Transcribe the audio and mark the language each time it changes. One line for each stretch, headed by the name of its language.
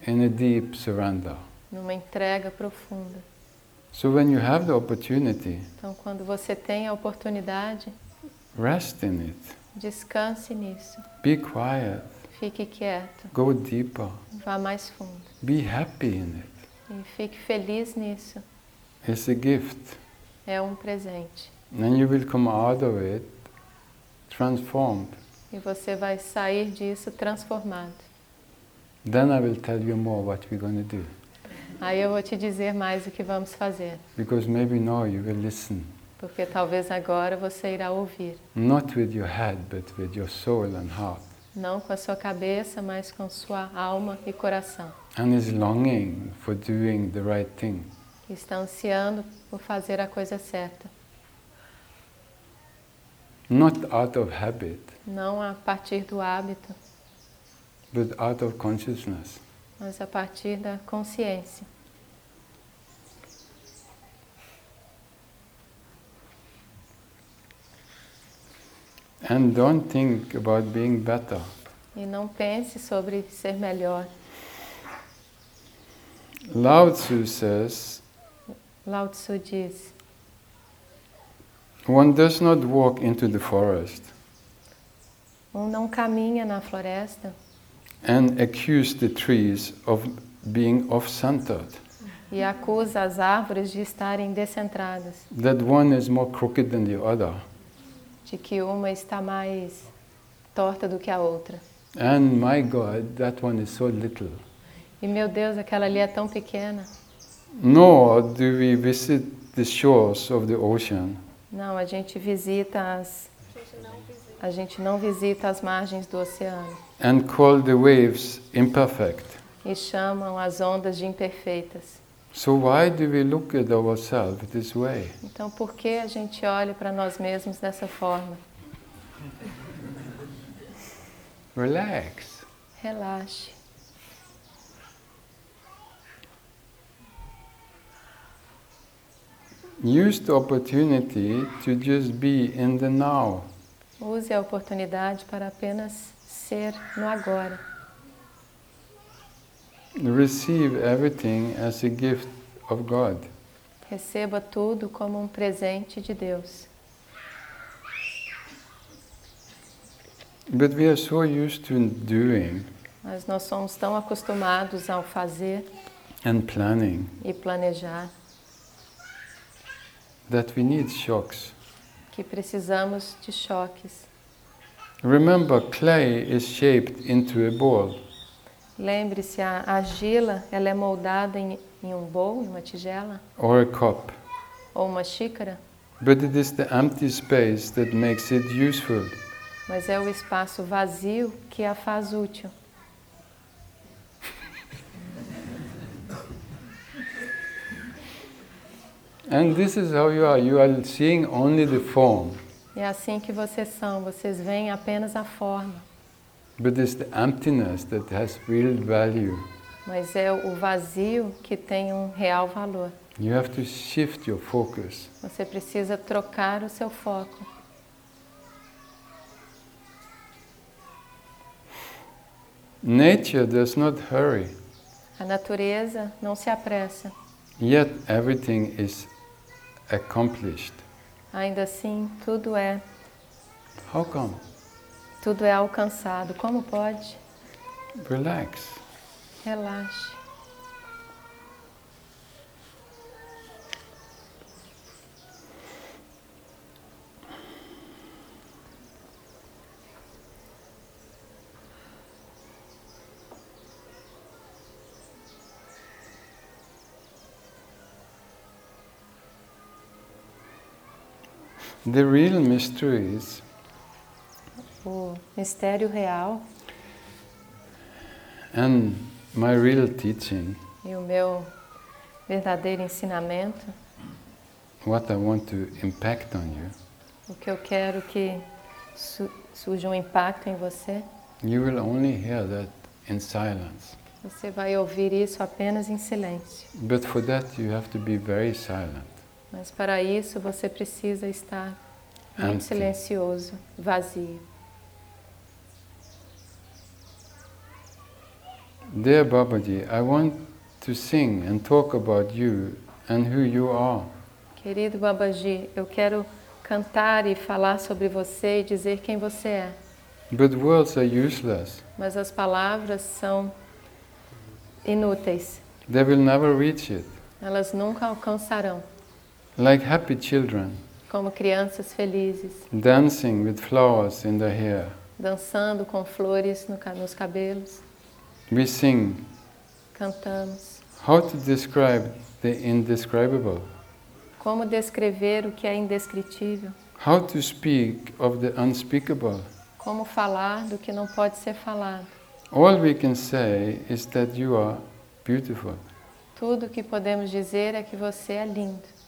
English: In a deep surrender.
Portuguese: Numa entrega profunda.
English: So when you have the opportunity.
Portuguese: Então quando você tem a oportunidade.
English: Rest in it.
Portuguese: Descanse nisso.
English: Be quiet.
Portuguese: Fique quieto.
English: Go deeper.
Portuguese: Vá mais fundo.
English: Be happy in it.
Portuguese: E fique feliz nisso.
English: It's a gift.
Portuguese: É um presente.
English: Then you will come out of it. Transformed.
Portuguese: E você vai sair disso transformado.
English: Then I will tell you more what we're going to do.
Portuguese: Aí eu vou te dizer mais o que vamos fazer.
English: Because maybe now you will listen.
Portuguese: Porque talvez agora você irá ouvir.
English: Not with your head, but with your soul and heart.
Portuguese: Não com a sua cabeça, mas com sua alma e coração.
English: And is longing for doing the right thing.
Portuguese: Está ansiando por fazer a coisa certa.
English: Not out of habit.
Portuguese: Não a partir do hábito.
English: But out of consciousness.
Portuguese: Mas a partir da consciência.
English: And don't think about being better.
Portuguese: E não pense sobre ser melhor.
English: Lao Tzu says.
Portuguese: Lao Tzu diz.
English: One does not walk into the forest.
Portuguese: Um não caminha na floresta.
English: And accuse the trees of being off-centered.
Portuguese: E acusa as árvores de estarem descentradas.
English: That one is more crooked than the other.
Portuguese: De que uma está mais torta do que a outra.
English: And my God, that one is so little.
Portuguese: E meu Deus, aquela ali é tão pequena.
English: Nor do we visit the shores of the ocean.
Portuguese: Não, a gente visita as. A gente não visita as margens do oceano.
English: And call the waves imperfect.
Portuguese: E chamam as ondas de imperfeitas.
English: So why do we look at ourselves this way?
Portuguese: Então por que a gente olha para nós mesmos dessa forma?
English: Relax.
Portuguese: Relaxe.
English: Use the opportunity to just be in the now.
Portuguese: Use a oportunidade para apenas ser no agora.
English: Receive everything as a gift of God.
Portuguese: Receba tudo como um presente de Deus.
English: But we are so used to doing.
Portuguese: Mas nós somos tão acostumados ao fazer.
English: And planning.
Portuguese: E planejar.
English: That we need shocks.
Portuguese: Que precisamos de choques.
English: Remember, clay is shaped into a bowl.
Portuguese: Lembre-se, a argila, ela é moldada em um bowl, em uma tigela.
English: Or a cup.
Portuguese: Ou uma xícara.
English: But it is the empty space that makes it useful.
Portuguese: Mas é o espaço vazio que a faz útil.
English: And this is how you are. You are seeing only the form.
Portuguese: E é assim que vocês são. Vocês veem apenas a forma.
English: But it's the emptiness that has real value.
Portuguese: Mas é o vazio que tem um real valor.
English: You have to shift your focus.
Portuguese: Você precisa trocar o seu foco.
English: Nature does not hurry.
Portuguese: A natureza não se apressa.
English: Yet everything is accomplished.
Portuguese: Ainda assim, tudo é.
English: How come?
Portuguese: Tudo é alcançado. Como pode?
English: Relax.
Portuguese: Relaxe.
English: The real mystery is
Portuguese: o mistério real
English: and my real teaching
Portuguese: e o meu verdadeiro ensinamento
English: what I want to impact on you
Portuguese: o que eu quero que surja um impacto em você
English: you will only hear that in silence
Portuguese: você vai ouvir isso apenas em silêncio
English: but for that you have to be very silent
Portuguese: mas para isso você precisa estar muito silencioso, vazio.
English: Dear Babaji, I want to sing and talk about you and who you are.
Portuguese: Querido Babaji, eu quero cantar e falar sobre você e dizer quem você é.
English: But words are useless.
Portuguese: Mas as palavras são inúteis.
English: They will never reach it.
Portuguese: Elas nunca alcançarão.
English: Like happy children.
Portuguese: Como crianças felizes.
English: Dancing with flowers in the hair.
Portuguese: Dançando com flores nos cabelos.
English: We sing.
Portuguese: Cantamos.
English: How to describe the indescribable?
Portuguese: Como descrever o que é indescritível?
English: How to speak of the unspeakable?
Portuguese: Como falar do que não pode ser falado?
English: All we can say is that you are beautiful.
Portuguese: Tudo que podemos dizer é que você é lindo.